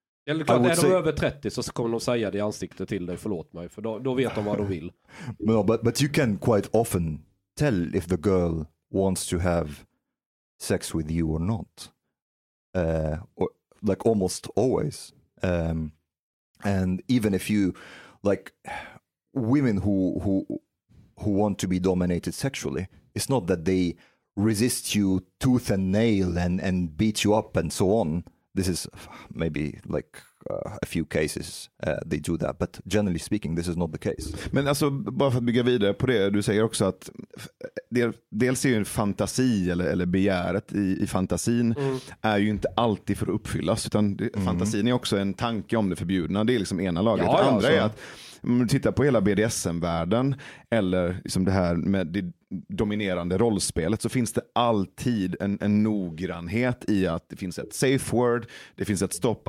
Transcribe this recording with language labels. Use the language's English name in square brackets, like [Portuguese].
[Swedish] Eller klart, är de över 30 så kommer de säga det i ansiktet till dig. Förlåt mig, för då vet de vad de vill. [English] No, but you can quite often tell if the girl wants to have sex with you or not, or like almost always, and even if you like women who want to be dominated sexually, it's not that they resist you tooth and nail and beat you up and so on. This is maybe like a few cases they do that, but generally speaking, this is not the case. [Swedish] Men alltså, bara för att bygga vidare på det, du säger också att dels är ju en fantasi eller begäret i fantasin är ju inte alltid för att uppfyllas, utan fantasin är också en tanke om det förbjudna. Det är liksom ena laget. Ja, det andra är att om du tittar på hela BDSM-världen eller liksom det här med det dominerande rollspelet, så finns det alltid en noggrannhet i att det finns ett safe word, det finns ett stopp.